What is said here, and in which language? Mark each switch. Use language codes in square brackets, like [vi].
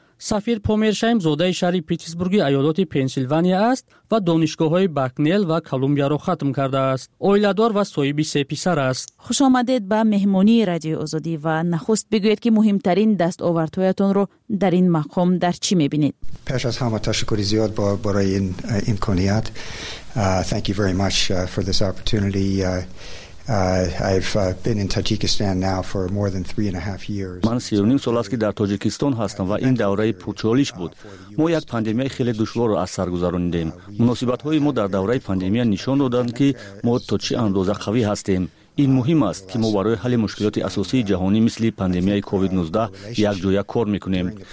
[fa] سفیر پومرشایم زاده شهر پیتسبورگ ایالات پنسیلوانیا است و دانشگاه های باکنل و کلمبیا را ختم کرده است. اویلادار و صاحب 3 پسر است. خوش آمدید به مهمانی رادیو آزادی و نخست بگویید که مهمترین دستاوردهایتون رو در این مقام در چی میبینید؟ پیش از همه تشکر زیاد برای این امکانیت. [en] Thank you very much for this opportunity. I've been in Tajikistan now for more than 3.5 years. [fa] من 3.5 سال است که در تاجیکستان هستم و این دوره پرچالش بود. ما یک پاندمی خیلی دشوار را از سر گذراندیم. مناسبت های ما در دوره پاندمی نشان دادند که ما تا چه اندازه قوی هستیم. این مهم است که ما برای حل مشکلات اساسی جهانی مثل پاندمی کووید 19 یک جویا کار میکنیم.